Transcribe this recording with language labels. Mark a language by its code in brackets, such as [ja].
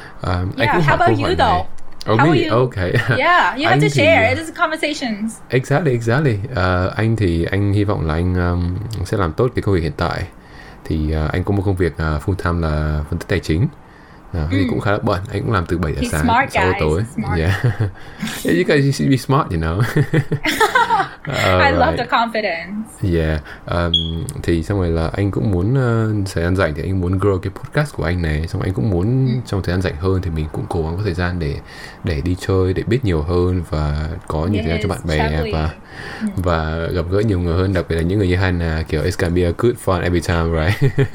[vi] Anh cũng hỏi câu hỏi này. Oh, [en] how Are you? Okay. Yeah, you have to share. It is conversations. Exactly. [vi] Anh thì anh hy vọng là anh sẽ làm tốt cái công việc hiện tại. Thì anh có một công việc full time là phân tích tài chính. Thì cũng khá là bận. Anh cũng làm từ 7 giờ [en] He's [vi] sáng [en] smart, [vi] 6 giờ tối. [en] Smart. Yeah. You guys should be smart, you know. I love the confidence. Yeah. [vi] Thì xong rồi là anh cũng muốn thời gian rảnh thì anh muốn grow cái podcast của anh này. Xong rồi anh cũng muốn trong thời gian rảnh hơn thì mình cũng cố gắng có thời gian để đi chơi, để biết nhiều hơn và có nhiều thời gian cho bạn bè và gặp gỡ nhiều người hơn, đặc biệt là những người như Hannah, kiểu [en] it's gonna be a good fun every time, right?